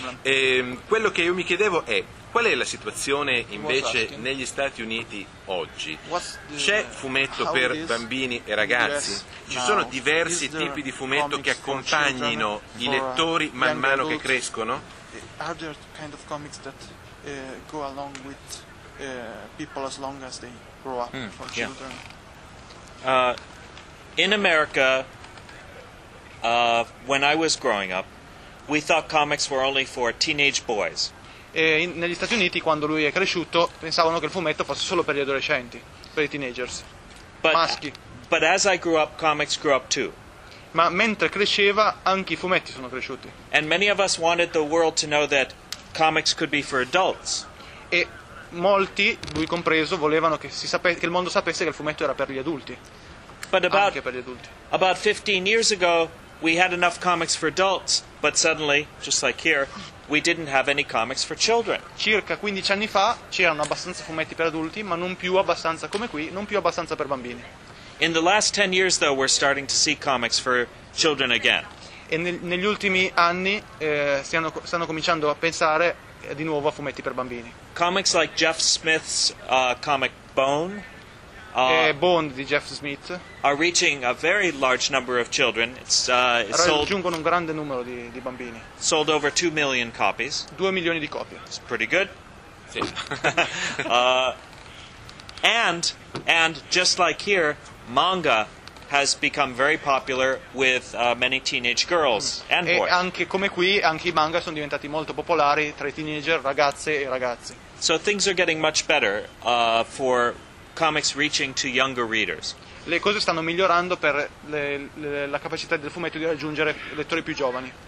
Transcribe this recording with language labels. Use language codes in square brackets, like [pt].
[it] E quello che io mi chiedevo è: qual è la situazione invece negli Stati Uniti oggi? C'è fumetto per bambini e ragazzi? Ci sono diversi tipi di fumetto che accompagnino i lettori man mano che crescono? [en] Are there kind of comics that go along with people as long as they grow up, for children? In America, when I was growing up, we thought comics were only for teenage boys. [it] E negli Stati Uniti, quando lui è cresciuto, pensavano che il fumetto fosse solo per gli adolescenti, per i teenagers, maschi. [en] But as I grew up, comics grew up too. [it] Ma mentre cresceva, anche i fumetti sono cresciuti. [en] And many of us wanted the world to know that comics could be for adults. [it] E molti, lui compreso, volevano che che il mondo sapesse che il fumetto era per gli adulti. [en] But [it] anche per gli adulti. [en] About 15 years ago, we had enough comics for adults, but suddenly, just like here, we didn't have any comics for children. [it] Circa 15 anni fa c'erano abbastanza fumetti per adulti, ma non più abbastanza come qui, non più abbastanza per bambini. [en] In the last 10 years though we're starting to see comics for children again. [it] E negli ultimi anni stanno cominciando a pensare di nuovo a fumetti per bambini. [en] Comics like Jeff Smith's comic Bone. [it] Bond di Jeff Smith [en] are reaching a very large number of children. [it] Raggiungono un grande numero di bambini. [en] Sold over 2 million copies. [it] 2 milioni di copie. [en] It's pretty good. [it] Sì. [en] and just like here, manga has become very popular with many teenage girls and boys. [it] E anche come qui, anche i manga sono diventati molto popolari tra i teenager, ragazze e ragazzi. [en] So things are getting much better for comics reaching to younger readers. [it] Le cose stanno migliorando per la capacità del fumetto di raggiungere lettori più giovani.